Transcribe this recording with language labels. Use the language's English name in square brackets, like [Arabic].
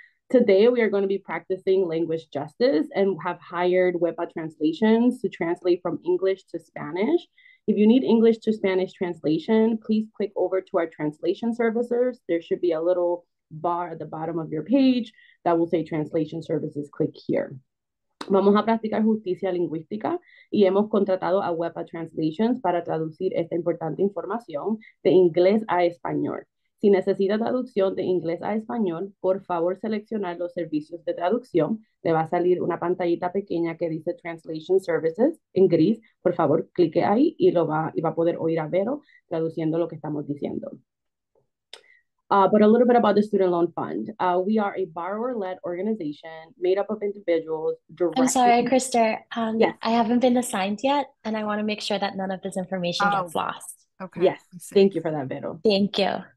[English] Today, we are going to be practicing language justice and have hired WIPA translations to translate from English to Spanish. If you need English to Spanish translation, please click over to our translation services. There should be a little bar at the bottom of your page that will say translation services. Click here. [Spanish] Vamos a practicar justicia lingüística y hemos contratado a WEPA Translations para traducir esta importante información de inglés a español. Si necesita traducción de inglés a español, por favor seleccionar los servicios de traducción. Le va a salir una pantallita pequeña que dice Translation Services en gris. Por favor, clique ahí y va a poder oír a Vero traduciendo lo que estamos diciendo. [English] But a little bit about the Student Loan Fund. We are a borrower-led organization made up of individuals directly. I'm sorry, Krister. I haven't been assigned yet, and I want to make sure that none of this information gets lost. Okay. Yes. Thank you for that, Vero. Thank you.